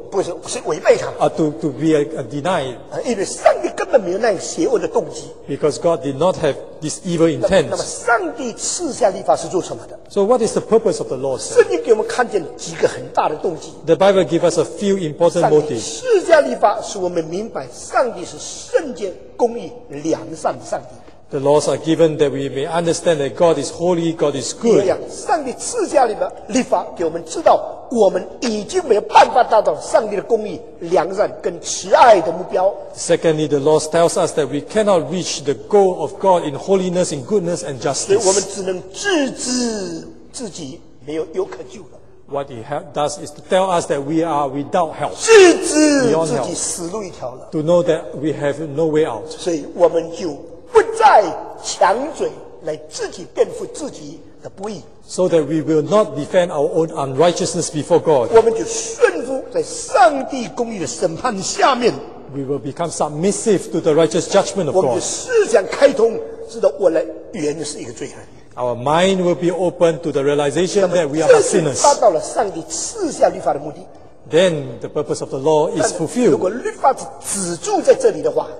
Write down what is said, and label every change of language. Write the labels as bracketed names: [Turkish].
[Chinese] 不是，是违背他。 [English] To be a deny. [Chinese] 因为上帝根本没有那样邪恶的动机。 [English] Because God did not have this evil intent. [Chinese] 那么上帝赐下律法是做什么的 [English] ？So what is the purpose of the law? [Chinese] 圣经给我们看见几个很大的动机。 [English] The Bible gives us a few important motives. [Chinese] 上帝赐下律法使我们明白上帝是圣洁、公义、良善的上帝。 [English] The laws are given that we may understand that God is holy, God is good. [Chinese] 这样，上帝赐下的律法给我们知道，我们已经没有办法达到上帝的公义、良善跟慈爱的目标。 [English] Secondly, the laws tells us that we cannot reach the goal of God in holiness, in goodness and justice. [Chinese] 所以我们只能自知自己没有有可救了。 [English] What it does is to tell us that we are without help. [Chinese] 自知自己死路一条了。 [English] To know that we have no way out. [Chinese] 所以我们就不再强嘴来自己辩护自己的不义。 [English] So that we will not defend our own unrighteousness before God. [Chinese] 我们就顺服在上帝公义的审判下面。 [English] We will become submissive to the righteous judgment of God. [Chinese] 我们就思想开通，知道我来原是一个罪人。 [English] Our mind will be open to the realization that we are sinners. [Chinese] 达到了上帝赐下律法的目的。 [English] Then the purpose of the law is fulfilled. [Chinese] 如果律法只止住在这里的话，